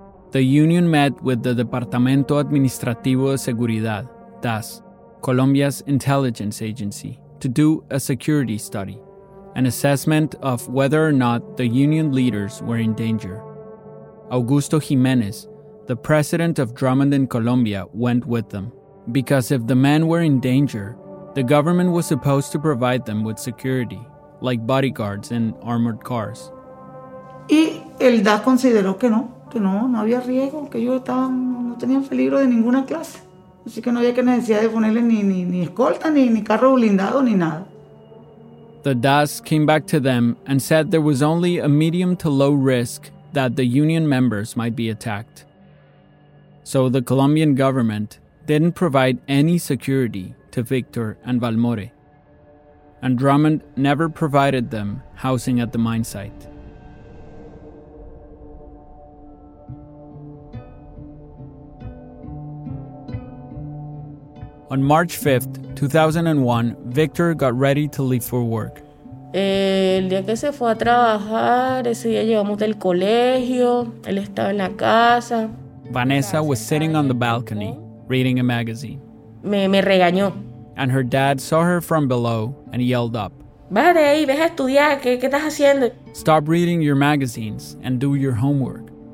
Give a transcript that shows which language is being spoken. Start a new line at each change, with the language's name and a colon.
English: The union met with the Departamento Administrativo de Seguridad, DAS, Colombia's intelligence agency, to do a security study, an assessment of whether or not the union leaders were in danger. Augusto Jiménez, the president of Drummond in Colombia, went with them, because if the men were in danger, the government was supposed to provide them with security, like bodyguards in armored cars.
Spanish: Y el DAS consideró que no. Que no había riesgo, que ellos estaban, no tenían peligro de ninguna clase. Así que no había que necesidad de ponerle ni escolta, ni carro blindado, ni nada.
English: The DAS came back to them and said there was only a medium to low risk that the union members might be attacked. So the Colombian government didn't provide any security to Victor and Valmore. And Drummond never provided them housing at the mine site. On March 5th, 2001, Victor got ready to leave for work.
Spanish: El día que se fue a trabajar, ese día llegamos del colegio, él estaba en la casa.
English: Vanessa was sitting on the balcony, reading a magazine.
Spanish: Me regañó.
English: and her dad saw her from below and yelled up.
Spanish: Bájate ahí, ve a estudiar, ¿qué estás haciendo?
English: Stop reading your magazines and do your homework.